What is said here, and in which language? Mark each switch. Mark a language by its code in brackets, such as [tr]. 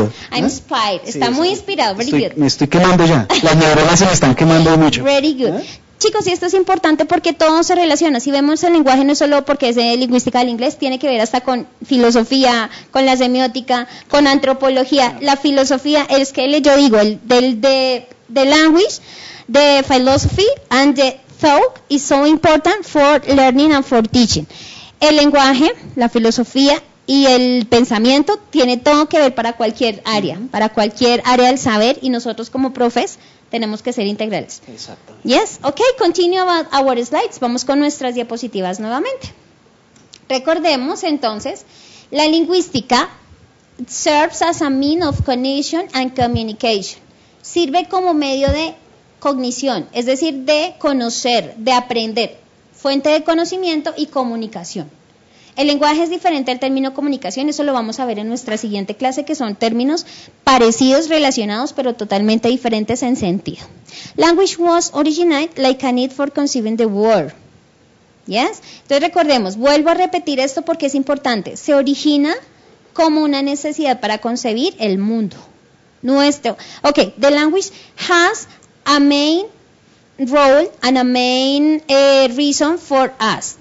[en] I'm inspired, [es] está sí, muy inspirado, [en] very good. [es] Me estoy quemando ya, las neuronas se me están quemando mucho. [en] Very good. ¿Eh? [es] Chicos, y esto es importante porque todo se relaciona. Si vemos el lenguaje, no es solo porque es de lingüística del inglés, tiene que ver hasta con filosofía, con la semiótica, con antropología. La filosofía es que yo digo, [en] the language, the philosophy and the thought is so important for learning and for teaching. [es] El lenguaje, la filosofía y el pensamiento tiene todo que ver para cualquier área, uh-huh, para cualquier área del saber, y nosotros como profes tenemos que ser integrales. Exacto. [en] Yes, okay, continue about our slides. [es] Vamos con nuestras diapositivas nuevamente. Recordemos entonces, la lingüística [en] serves as a means of cognition and communication. [es] Sirve como medio de cognición, es decir, de conocer, de aprender, fuente de conocimiento y comunicación. El lenguaje es diferente al término comunicación, eso lo vamos a ver en nuestra siguiente clase, que son términos parecidos, relacionados, pero totalmente diferentes en sentido. [en] Language was originated like a need for conceiving the world. ¿Yes? [es] Entonces recordemos, vuelvo a repetir esto porque es importante, se origina como una necesidad para concebir el mundo. Nuestro. [en] Ok, the language has a main role and a main reason for us.